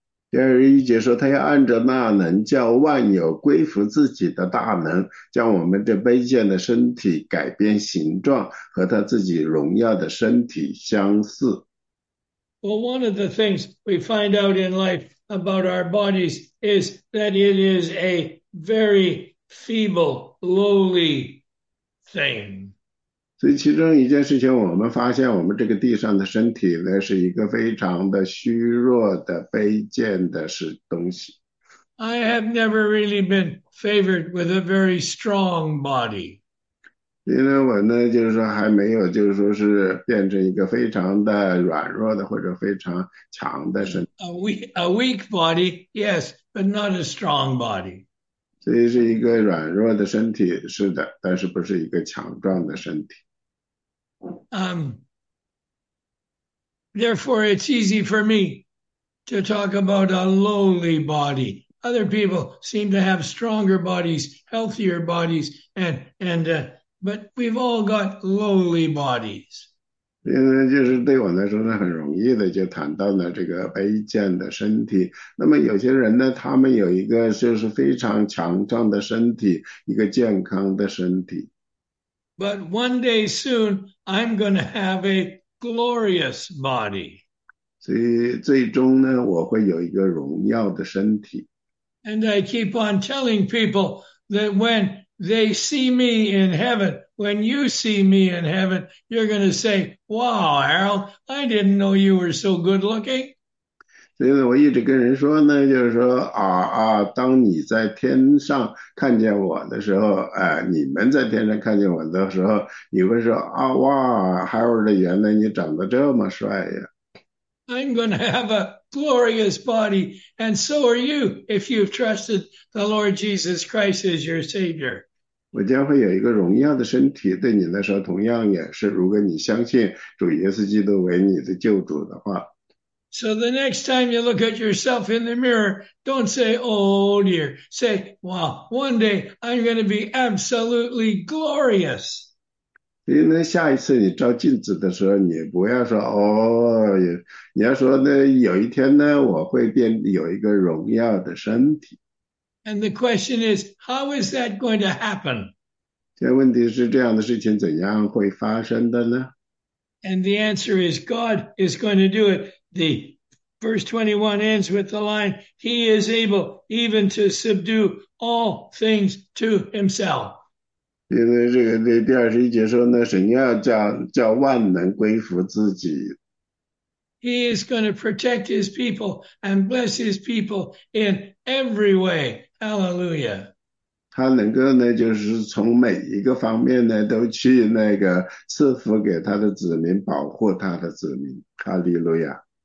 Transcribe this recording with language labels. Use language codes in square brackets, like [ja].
[zh] 第21节说，他要按着那能叫万有归服自己的大能，将我们这卑贱的身体改变形状，和他自己荣耀的身体相似。 [en] Well, one of the things we find out in life about our bodies is that it is a very feeble, lowly thing. [zh] 所以，其中一件事情，我们发现，我们这个地上的身体呢，是一个非常的虚弱的、卑贱的是东西。 [en] I have never really been favored with a very strong body. [zh] 因为我呢，就是说还没有，就是说是变成一个非常的软弱的或者非常强的身体。 [en] A weak body, yes, but not a strong body. [zh] 所以是一个软弱的身体，是的，但是不是一个强壮的身体。 [en] Therefore, it's easy for me to talk about a lowly body. Other people seem to have stronger bodies, healthier bodies, but we've all got lowly bodies. [zh] 因为就是对我来说呢，很容易的就谈到了这个卑贱的身体。那么有些人呢，他们有一个就是非常强壮的身体，一个健康的身体。 [en] But one day soon, I'm going to have a glorious body. [zh] 所以最终呢，我会有一个荣耀的身体。 [en] And I keep on telling people that when they see me in heaven, when you see me in heaven, you're going to say, wow, Harold, I didn't know you were so good looking. [zh] 所以呢，我一直跟人说呢，就是说当你在天上看见我的时候，你们在天上看见我的时候，你会说哇，Harold，原来你长得这么帅呀。 [en] I'm going to have a glorious body, and so are you if you've trusted the Lord Jesus Christ as your Savior. [zh] 我将会有一个荣耀的身体，对你来说同样也是，如果你相信主耶稣基督为你的救主的话。 [en] So the next time you look at yourself in the mirror, don't say, oh dear. Say, wow, one day I'm going to be absolutely glorious. [zh] 所以呢，下一次你照镜子的时候，你不要说哦，你要说呢，有一天呢，我会变有一个荣耀的身体。 [en] And the question is, how is that going to happen? [zh] 现在问题是，这样的事情怎样会发生的呢？ [en] And the answer is, God is going to do it. The Verse 21 ends with the line, he is able even to subdue all things to himself. [zh] 第21节说呢,神要叫万能归服自己。 [en] He is going to protect his people and bless his people in every way. Hallelujah. [zh] 他能够呢,就是从每一个方面呢,都去那个赐福给他的子民,保护他的子民。Hallelujah.